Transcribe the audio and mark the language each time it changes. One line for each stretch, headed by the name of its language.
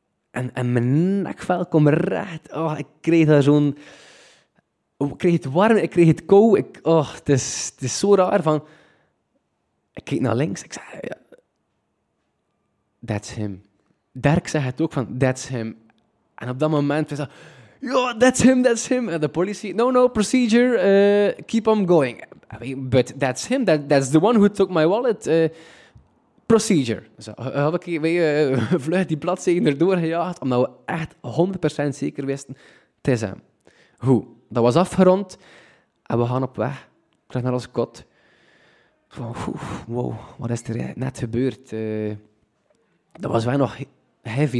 Dutch: En mijn nekvel komt recht. Oh, ik kreeg daar zo'n... Ik kreeg het warm, ik kreeg het kou. Het is zo raar. Van... Ik keek naar links. Ik zeg...
English: Ja, that's him.
Dutch: Dirk zegt het ook van,
English: that's him.
Dutch: En op dat moment was dat, ja,
English: that's him.
Dutch: En de politie,
English: no, procedure, keep on going. I mean, but that's him, that's the one who took my wallet. Procedure.
Dutch: Dus heb ik vlug die bladzijden erdoor gejaagd, omdat we echt 100% zeker wisten, het is hem. Hoe? Dat was afgerond, en we gaan op weg, terug naar ons kot. Van, wow, wat is er net gebeurd? Dat was wel nog heavy.